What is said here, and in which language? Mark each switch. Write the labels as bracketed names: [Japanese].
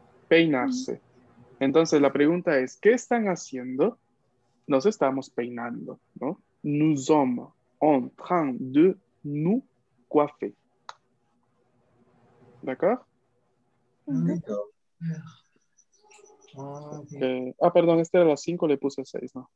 [Spanish] Peinarse. Entonces, la pregunta es, ¿qué están haciendo? nos estamos peinando, ¿no? [French] Nous sommes en train de nous coiffer. ¿D'accord? [Spanish] Okay. Ah, perdón, este era la 5, le puse 6, ¿no?